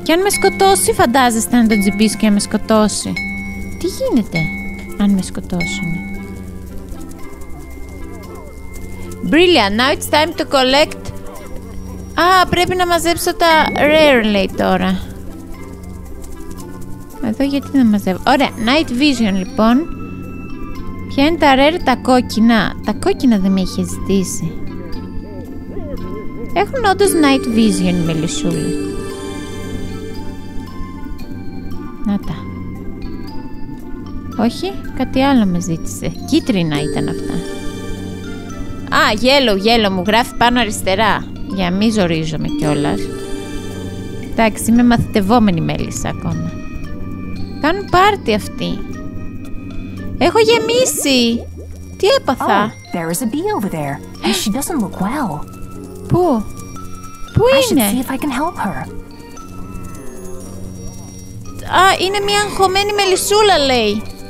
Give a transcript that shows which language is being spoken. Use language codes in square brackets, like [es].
[el] Και αν με σκοτώσει, φαντάζεστε να το τζιμπήσω και να με σκοτώσει. Τι γίνεται, αν με σκοτώσουν? [en] Brilliant, now it's time to collect... [el] Α, πρέπει να μαζέψω τα rare, λέει τώρα. Εδώ γιατί να μαζεύω. Ωραία, night vision, λοιπόν. Ποια είναι τα rare, τα κόκκινα. Τα κόκκινα δεν με είχε ζητήσει. Έχουν όντως night vision οι μελισσούλοι. Να τα. Όχι, κάτι άλλο με ζήτησε. Κίτρινα ήταν αυτά. Α, yellow, yellow μου γράφει πάνω αριστερά. Για μη ζορίζομαι κιόλας. Εντάξει, είμαι μαθητευόμενη μέλισσα ακόμα. Κάνουν πάρτι αυτοί. Έχω γεμίσει. Τι έπαθα? [en] Oh, there is a bee over there. And she doesn't look well. [el] Πού? Πού είναι? [en] I should see if I can help her. [el] Α, είναι μια αγχωμένη μελισσούλα, λέει.